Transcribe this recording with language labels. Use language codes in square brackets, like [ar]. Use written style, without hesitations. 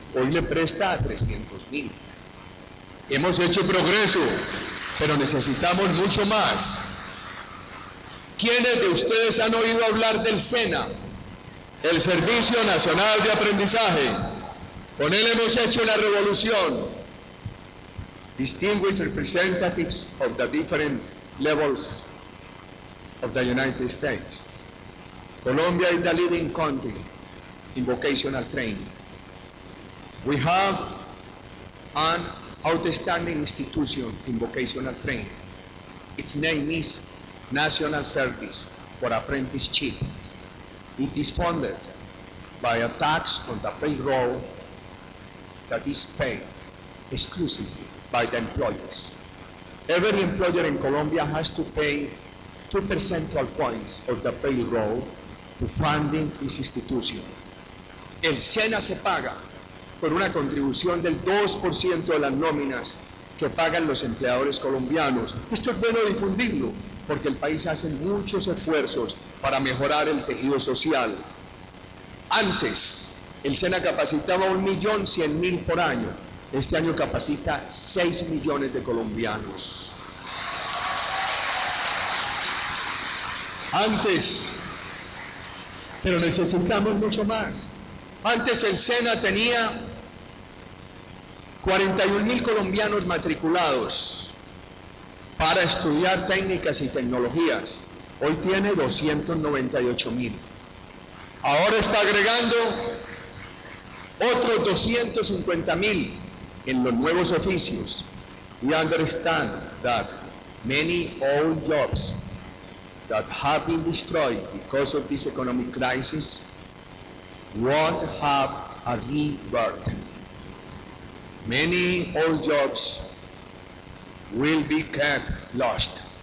[es] Hoy le presta a 300.000. Hemos hecho progreso, pero necesitamos mucho más. ¿Quiénes de ustedes han oído hablar del SENA, el Servicio Nacional de Aprendizaje? Con él hemos hecho una revolución. [en] Distinguished representatives of the different levels of the United States. Colombia is the leading country in vocational training. We have an outstanding institution in vocational training. Its name is National Service for Apprenticeship. It is funded by a tax on the payroll that is paid exclusively by the employers. Every employer in Colombia has to pay 2 percentage points of the payroll to funding this institution. [es] El SENA se paga con una contribución del 2% de las nóminas que pagan los empleadores colombianos. Esto es bueno difundirlo, porque el país hace muchos esfuerzos para mejorar el tejido social. Antes, el SENA capacitaba 1.100.000 por año. Este año capacita 6 millones de colombianos. Antes, pero necesitamos mucho más. Antes el SENA tenía 41.000 colombianos matriculados para estudiar técnicas y tecnologías. Hoy tiene 298.000. Ahora está agregando otros 250.000 en los nuevos oficios. [en] We understand that many old jobs that have been destroyed because of this economic crisis won't have a rebirth. Many old jobs will be kept lost.